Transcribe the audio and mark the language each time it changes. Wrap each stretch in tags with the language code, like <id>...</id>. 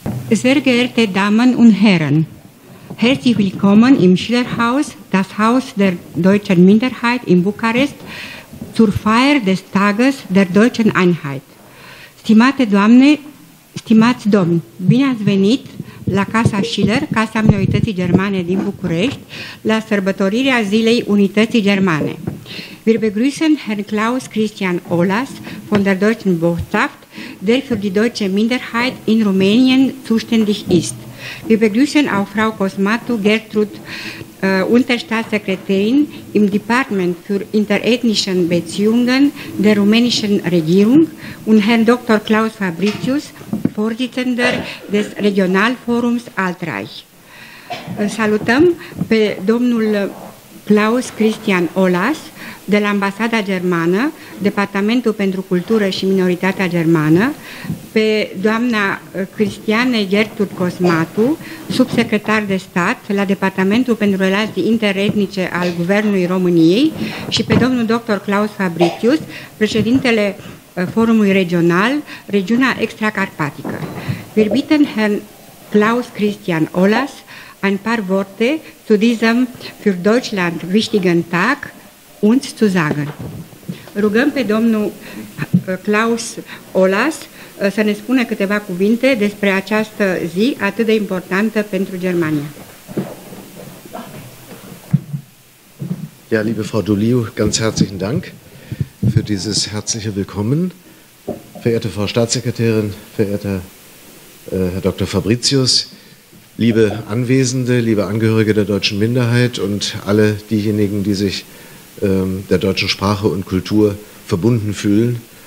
<de>Sehr geehrte Damen und Herren, herzlich willkommen im Schillerhaus, das Haus der deutschen Minderheit in Bukarest, zur Feier des Tages der deutschen Einheit.</de> <ro>Stimate Doamne, stimați Domni, bine ați venit la Casa Schiller, Casa Minorității Germane din București, la sărbătorirea Zilei Unității Germane.</ro> <de>Wir begrüßen Herrn Klaus Christian Ohlas von der Deutschen Botschaft, der für die deutsche Minderheit in Rumänien zuständig ist. Wir begrüßen auch Frau Cosmatu Gertrud, Unterstaatssekretärin im Department für interethnische Beziehungen der rumänischen Regierung und Herrn Dr. Klaus Fabricius, Vorsitzender des Regionalforums Altreich.</de> <ro>Salutăm pe domnul Klaus Christian Ohlas, de la Ambasada Germană, Departamentul pentru Cultură și Minoritatea Germană, pe doamna Cristiane Gertrud Cosmatu, subsecretar de stat la Departamentul pentru Relații Interetnice al Guvernului României și pe domnul dr. Klaus Fabricius, președintele Forumului Regional, Regiunea Extracarpatică.</ro> <de>Wir bitten Herrn Klaus Christian Ohlas ein paar Worte zu diesem für Deutschland wichtigen Tag, uns zu sagen.</de> <ro>Rugăm pe domnul Klaus Ohlas să ne spună câteva cuvinte despre această zi atât de importantă pentru Germania.</ro> <de>Ja, liebe Frau Dulliu, ganz herzlichen Dank für dieses herzliche Willkommen. Verehrte Frau Staatssekretärin, verehrter Herr Dr. Fabricius, liebe Anwesende, liebe Angehörige der deutschen Minderheit und alle diejenigen, die sich der deutschen Sprache und Kultur verbunden fühlen.</de>